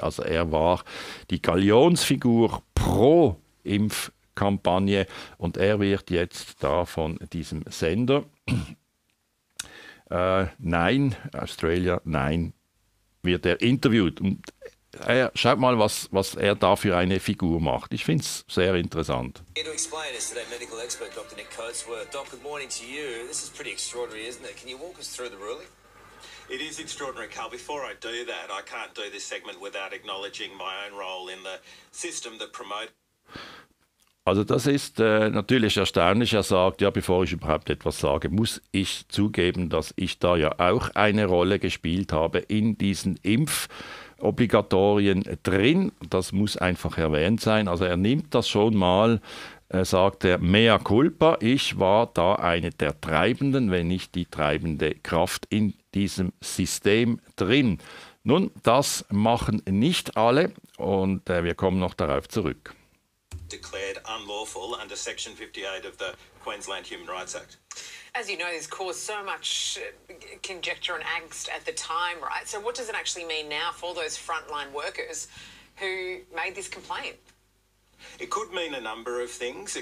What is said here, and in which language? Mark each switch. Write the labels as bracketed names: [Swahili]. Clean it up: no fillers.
[German] Also er war die Galionsfigur pro Impfkampagne, und er wird jetzt da von diesem Sender Nein, Australia, Nein, wird er interviewt. Und er, schaut mal, was er da für eine Figur macht. Ich finde es sehr interessant. [English] To explain this to that medical expert, Dr. Nick Coatsworth. Doc, good morning to you. This is pretty extraordinary, isn't it? Can you walk us through the ruling? It is extraordinary, Carl. Before I do that, I can't do this segment without acknowledging my own role in the system that promotes. [German] Also das ist natürlich erstaunlich. Er sagt, ja, bevor ich überhaupt etwas sage, muss ich zugeben, dass ich da ja auch eine Rolle gespielt habe in diesen Impfobligatorien drin. Das muss einfach erwähnt sein. Also er nimmt das schon mal. Sagt er, mea culpa, ich war da eine der treibenden, wenn nicht die treibende Kraft in diesem System drin. Nun, das machen nicht alle, und wir kommen noch darauf zurück. [English] Declared unlawful under Section 58 of the Queensland Human Rights Act. As you know, this caused so much conjecture and angst at the time, right? So what does it actually mean now for those frontline workers who made this complaint? It could mean a number of things.